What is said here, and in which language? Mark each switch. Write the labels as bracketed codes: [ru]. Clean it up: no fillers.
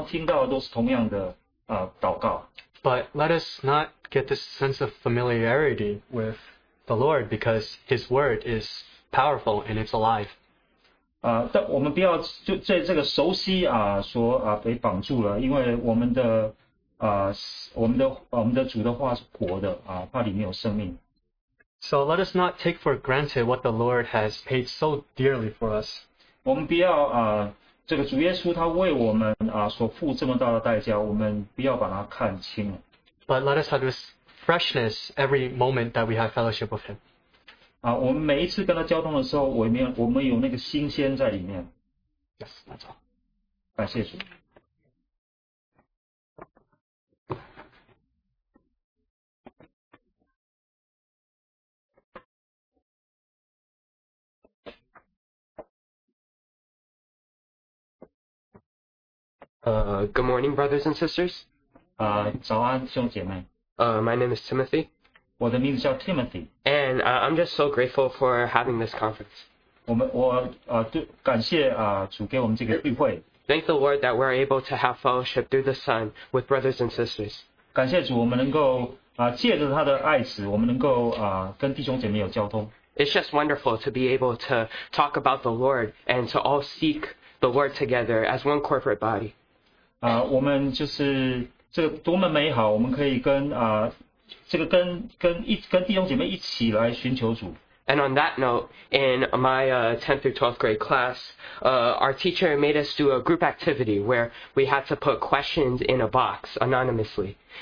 [zh] 所以有时候我们会觉得不再没有耐心，就是觉得好像我们好像听到的都是同样的祷告。But [en] let us not get this sense of familiarity with the Lord because His word is powerful and it's alive. [zh] 但我们不要被绑住了，因为我们的主的话是活的，它里面有生命。So [en] let us not take for granted what the Lord has paid so dearly for us. [zh] 我们不要这个主耶稣他为我们所付这么大的代价，我们不要把它看轻了。But [en] let us have this freshness every moment that we have fellowship with him. [zh] 我们每一次跟他交通的时候，我们有那个新鲜在里面。Yes, [en] that's all. [zh] 感谢主。 [en] Good morning, brothers and sisters. [zh] 早安，兄姐妹。 [en] My name is Timothy. [zh] 我的名字叫Timothy. [en] And I'm just so grateful for having this conference. [zh] 感谢主给我们这个聚会。 [en] Thank the Lord that we're able to have fellowship through the Son with brothers and sisters. [zh] 感谢主我们能够借着他的爱子，我们能够跟弟兄姐妹有交通。 [en] It's just wonderful to be able to talk about the Lord and to all seek the Lord together as one corporate body. [zh] 我们就是这个多么美好，我们可以跟弟兄姐妹一起来寻求主。 [en] And on that note, in my 10th through 12th grade class, our teacher made us do a group activity where we had to put questions in a box anonymously.